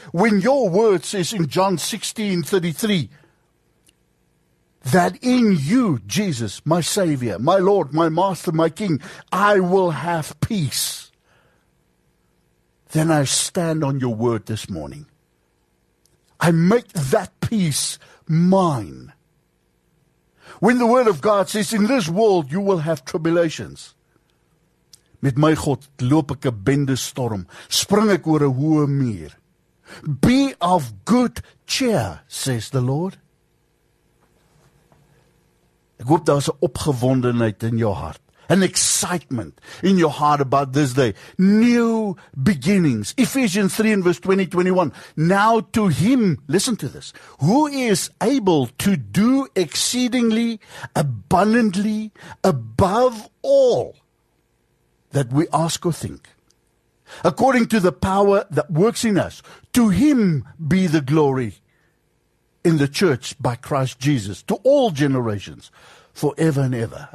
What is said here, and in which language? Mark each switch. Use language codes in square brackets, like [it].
[en] When your word says in John 16:33, that in you, Jesus, my Savior, my Lord, my Master, my King, I will have peace. Then I stand on your word this morning. I make that peace mine. When the word of God says, in this world you will have tribulations. [af] Met my God loop ek 'n bende storm, spring ek oor 'n hoë muur. [en] Be of good cheer, says the Lord. [af] Ek hoop daar is 'n opgewondenheid in jou hart. [en] An excitement in your heart about this day. New beginnings. Ephesians 3 and verse 20, 21. Now to him, listen to this, who is able to do exceedingly, abundantly, above all that we ask or think, according to the power that works in us, to him be the glory in the church by Christ Jesus, to all generations, forever and ever.